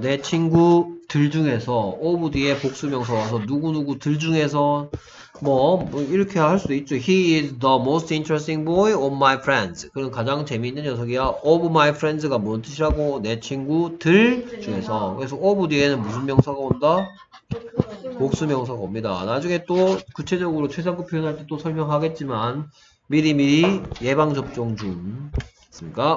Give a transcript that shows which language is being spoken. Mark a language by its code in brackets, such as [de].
[ko] 내 친구들 중에서 of 뒤에 복수명사 와서 누구누구들 중에서 뭐 이렇게 할 수도 있죠. [en] He is the most interesting boy of my friends. [ko] 그럼 가장 재미있는 녀석이야. [en] of my friends [ko] 가 뭔 뜻이라고? 내 친구들 중에서. 그래서 of 뒤에는 무슨 명사가 온다? 복수명사가 옵니다. 나중에 또 구체적으로 최상급 표현할 때 또 설명하겠지만 미리미리 예방접종 중. 있습니까?